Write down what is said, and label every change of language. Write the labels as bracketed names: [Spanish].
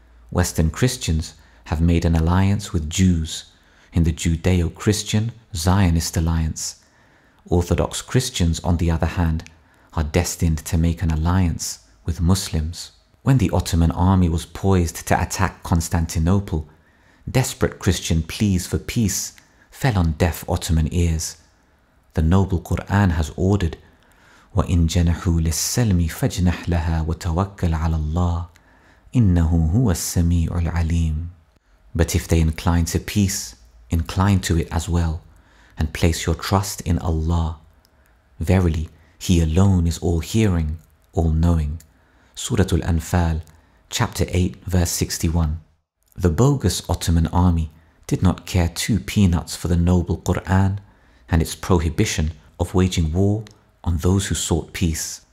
[English] Western Christians have made an alliance with Jews in the Judeo-Christian Zionist alliance. Orthodox Christians, on the other hand, are destined to make an alliance with Muslims. When the Ottoman army was poised to attack Constantinople, desperate Christian pleas for peace fell on deaf Ottoman ears. The noble Qur'an has ordered, [Arabic] وَإِن جَنَحُوا لِلسَّلْمِ فَاجْنَحْ لَهَا وَتَوَكَّلْ عَلَى اللَّهِ إِنَّهُ هُوَ السَّمِيعُ الْعَلِيمُ. [English] But if they incline to peace, incline to it as well, and place your trust in Allah. Verily, He alone is all-hearing, all-knowing. Surah Al-Anfal, chapter 8, verse 61. The bogus Ottoman army did not care two peanuts for the noble Qur'an and its prohibition of waging war on those who sought peace.